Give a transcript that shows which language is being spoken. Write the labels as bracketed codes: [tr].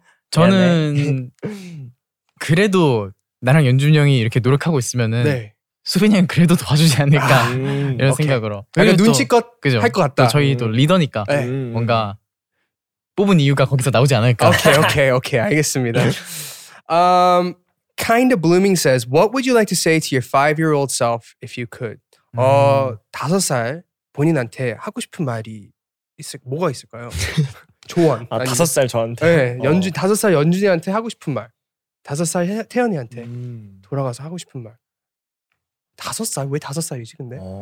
[ko] 저는 그래도 나랑 연준이 형이 이렇게 노력하고 있으면은 네. 수빈이 형 그래도 도와주지 않을까 이런 오케이. 생각으로 약간 눈치껏 할 것 같다. 또 저희도 리더니까 네. 뭔가 뽑은 이유가 거기서 나오지 않을까. 오케이 오케이 오케이 알겠습니다. [en] Kinda Blooming says, what would you like to say to your 5-year-old self if you could? [ko] 5살 본인한테 하고 싶은 말이 뭐가 있을까요? 조언. 아, 5살 저한테? 네. 5살 연준이한테 하고 싶은 말. 5살 태연이한테 돌아가서 하고 싶은 말. 5살? 왜 5살이지 근데?